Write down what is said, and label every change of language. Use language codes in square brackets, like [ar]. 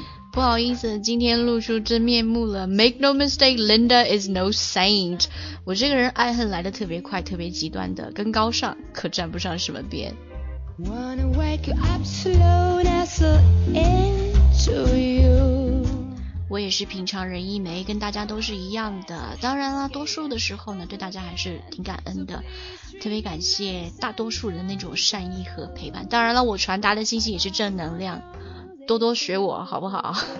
[zh] 不好意思，今天露出真面目了。 [en] Make no mistake, Linda is no saint. [zh] 我这个人爱恨来得特别快，特别极端的，跟高尚可沾不上什么边。 [en] Wanna wake you up slow, nestle into you. [zh] 我也是平常人一枚，跟大家都是一样的。当然啦，多数的时候呢，对大家还是挺感恩的，特别感谢大多数人的那种善意和陪伴。当然了，我传达的信息也是正能量。多多学我好不好？